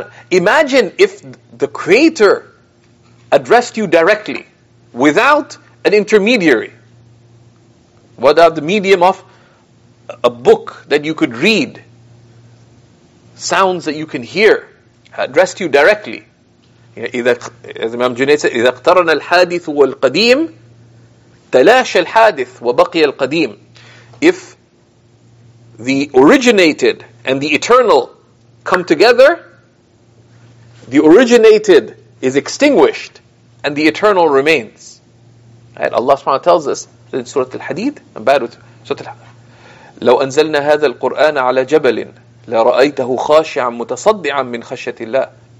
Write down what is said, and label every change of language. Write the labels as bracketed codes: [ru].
[en] Imagine if the Creator addressed you directly without an intermediary, without the medium of a book that you could read, sounds that you can hear, addressed you directly. As Imam Junaid said, [ar] إِذَا اقْتَرَنَ الْحَادِثُ وَالْقَدِيمُ تَلَاشَ الْحَادِثُ وَبَقِيَ الْقَدِيمُ. [en] If the originated and the eternal come together, the originated is extinguished and the eternal remains. Right? Allah subhanahu wa ta'ala tells us in Surah Al-Hadid, I'm bad with Surah Al-Hadid. [ar] لو أنزلنا هذا القرآن على جبل لرأيته خاشعا متصدعا من خشية الله.